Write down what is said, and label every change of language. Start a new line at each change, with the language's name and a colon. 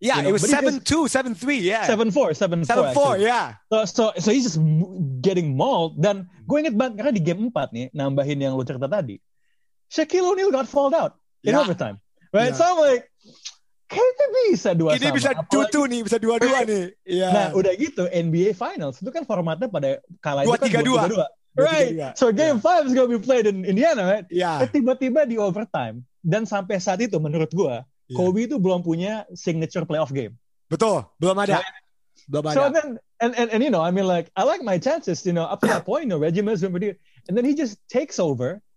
English: Yeah, you know? It was 7'2", 7'3", yeah. 7'4", 7'4", yeah. So he's just getting mauled.
Indonesian: Dan gue inget banget, karena di game 4 nih, nambahin yang lu cerita tadi,
English: Shaquille O'Neal got fouled out in overtime. Right? Yeah. So I'm like, can't it be
Indonesian: bisa 2 ini sama? Bisa 2-2 nih, bisa 2-2 nih.
English: Yeah.
Indonesian: Nah, udah gitu, NBA Finals, itu kan formatnya pada kala itu 2-3-2. Kan 2-3-2.
English: Right?
Indonesian: 2-3-2.
English: So game 5 is going to be played in Indiana, right? Yeah.
Indonesian: Dan tiba-tiba di overtime, dan sampai saat itu menurut gue, Kobe itu belum punya signature playoff game. Betul, belum ada. Belum ada.
English: So then, and you know, I mean like, I like my chances, you know, up to that point, you know, Reggie Miller's been pretty good. And then he just takes over.